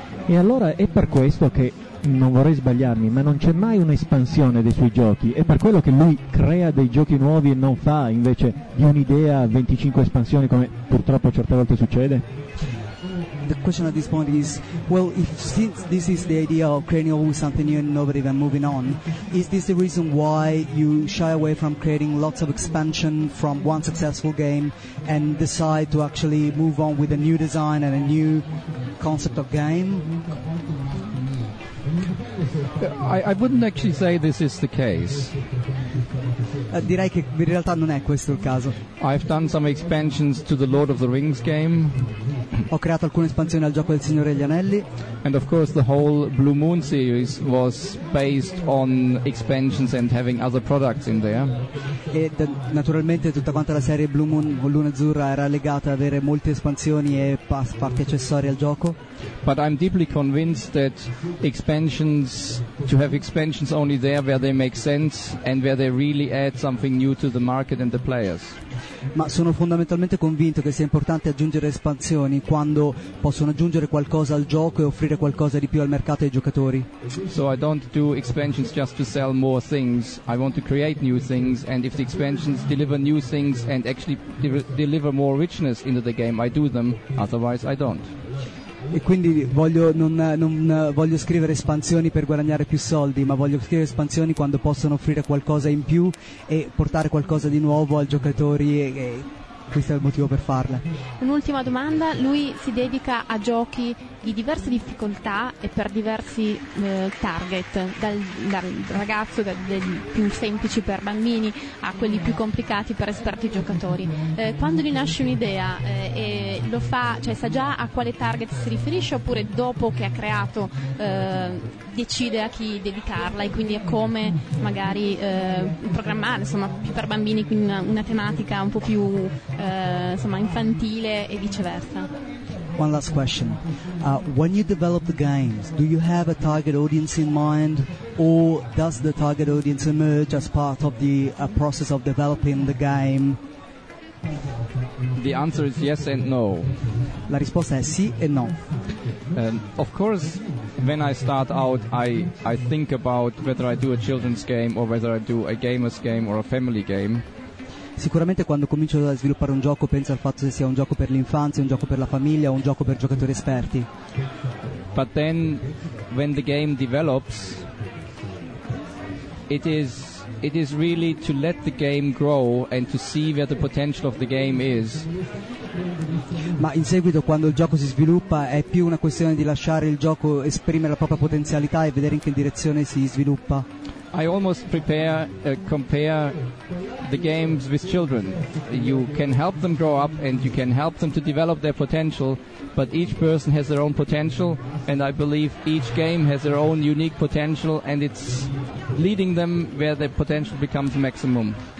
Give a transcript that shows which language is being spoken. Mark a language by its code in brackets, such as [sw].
[it] E allora è per questo che, non vorrei sbagliarmi, ma non c'è mai un'espansione dei suoi giochi, è per quello che lui crea dei giochi nuovi e non fa invece di un'idea 25 espansioni come purtroppo certe volte succede? [en] The question at this point is, well, if since this is the idea of creating always something new and innovative and moving on, is this the reason why you shy away from creating lots of expansion from one successful game and decide to actually move on with a new design and a new concept of game? I wouldn't actually say this is the case. [it] Direi che in realtà non è questo il caso. [en] I've done some expansions to the Lord of the Rings game. [it] Ho creato alcune espansioni al gioco del Signore degli Anelli. [en] And of course the whole Blue Moon series was based on expansions and having other products in there. [it] E naturalmente tutta quanta la serie Blue Moon o Luna Azzurra era legata ad avere molte espansioni e parti accessorie al gioco. [en] But I'm deeply convinced that expansions, to have expansions only there where they make sense and where they really add something new to the market and the players. [it] Ma sono fondamentalmente convinto che sia importante aggiungere espansioni quando possono aggiungere qualcosa al gioco e offrire qualcosa di più al mercato e ai giocatori. [en] So I don't do expansions just to sell more things. I want to create new things, and if the expansions deliver new things and actually deliver more richness into the game, I do them. Otherwise I don't. [it] E quindi non voglio scrivere espansioni per guadagnare più soldi, ma voglio scrivere espansioni quando possono offrire qualcosa in più e portare qualcosa di nuovo ai giocatori, e questo è il motivo per farle. Un'ultima domanda: lui si dedica a giochi di diverse difficoltà e per diversi target, dal ragazzo dei più semplici per bambini a quelli più complicati per esperti giocatori. Quando gli nasce un'idea e lo fa, cioè sa già a quale target si riferisce, oppure dopo che ha creato decide a chi dedicarla e quindi a come magari programmare, insomma, più per bambini, quindi una tematica un po' più insomma infantile e viceversa. [en] One last question. When you develop the games, do you have a target audience in mind, or does the target audience emerge as part of the process of developing the game? The answer is yes and no. [it] La risposta è sì e no. [en] Of course, when I start out, I think about whether I do a children's game or whether I do a gamer's game or a family game. [it] Sicuramente quando comincio a sviluppare un gioco penso al fatto se sia un gioco per l'infanzia, un gioco per la famiglia o un gioco per giocatori esperti. [en] But then when the game develops, it is it is really to let the game grow and to see where the potential of the game is. [it] Ma in seguito, quando il gioco si sviluppa, è più una questione di lasciare il gioco esprimere la propria potenzialità e vedere in che direzione si sviluppa. [en] I almost prepare compare the games with children. You can help them grow up and you can help them to develop their potential, but each person has their own potential, and I believe each game has their own unique potential, and it's leading them where their potential becomes maximum.